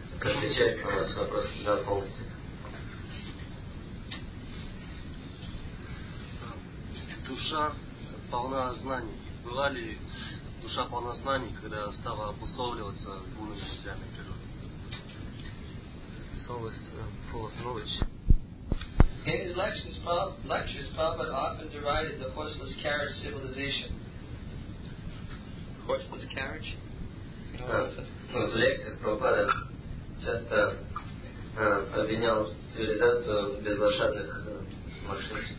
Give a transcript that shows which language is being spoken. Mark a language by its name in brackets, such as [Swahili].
[Russian] Отвечает на ваш вопрос, да, полностью. Душа полна знаний. Была ли душа полна знаний, когда стала обусловливаться бунами материальной природы? [English] In his lectures, Prabhupada often derided the horseless carriage civilization. Horseless carriage? [Russian] В лекциях Прабхупада часто обвинял цивилизацию без лошадных машин.